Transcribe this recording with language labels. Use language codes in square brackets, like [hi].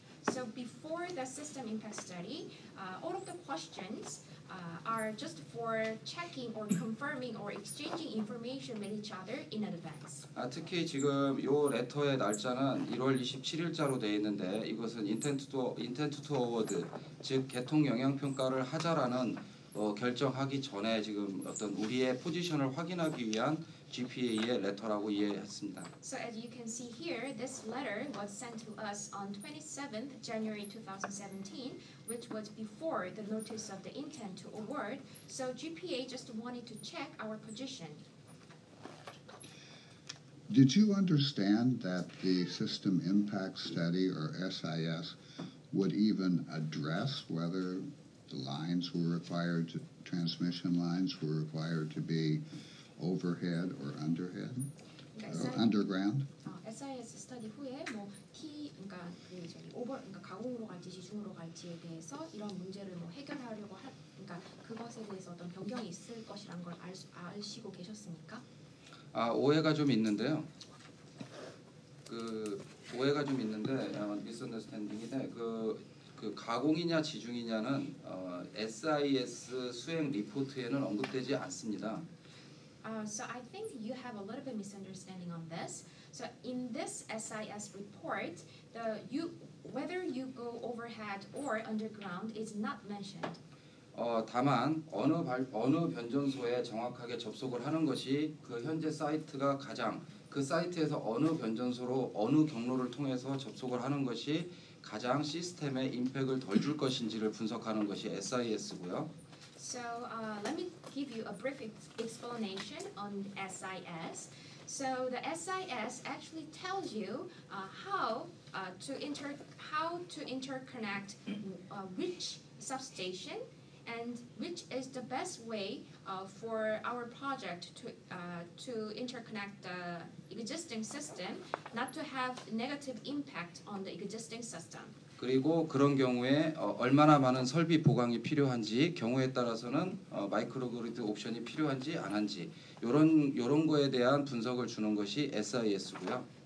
[en] So before the system impact study, all of the questions are just for checking or confirming or exchanging information with each other in advance. [ko] 아, 특히 지금 요 레터의 날짜는 1월 27일자로 돼 있는데 이것은 [en] intent to award, [ko] 즉 개통 영향 평가를 하자라는 결정하기 전에 지금 어떤 우리의 포지션을 확인하기 위한 GPA의 레터라고 이해했습니다. [en] So as you can see here, this letter was sent to us on 27th January 2017, which was before the notice of the intent to award. So GPA just wanted to check our position. Did you understand that the system impact study or SIS would even address whether the lines were required to transmission lines were required to be overhead or underhead, underground? [ko] SIS study 후에 뭐 그러니까 그 저기 오버 그러니까 가공으로 갈지 지중으로 갈지에 대해서 이런 문제를 뭐 해결하려고 할 그러니까 그것에 대해서 어떤 변경이 있을 것이란 걸 알시고 계셨습니까? 아 오해가 좀 있는데요. 그 오해가 좀 있는데 미스언더스탠딩인데 그 가공이냐 지중이냐는 SIS 수행 리포트에는 언급되지 않습니다. [en] So I think you have a little bit misunderstanding on this. So in this SIS report, whether you go overhead or underground is not mentioned. [ko] 다만 어느 변전소에 정확하게 접속을 하는 것이 그 현재 사이트가 가장 그 사이트에서 어느 변전소로 어느 경로를 통해서 접속을 하는 것이 가장 시스템에 임팩을 덜 줄 것인지를 분석하는 것이 SIS고요. [en] So let me give you a brief explanation on SIS. So the SIS actually tells you how to interconnect which substation and which is the best way for our project to interconnect the existing system, not to have negative impact on the existing system. [ko] 그리고 그런 경우에 얼마나 많은 설비 보강이 필요한지 경우에 따라서는 마이크로그리드 옵션이 필요한지 안 한지 이런 거에 대한 분석을 주는 것이 SIS고요.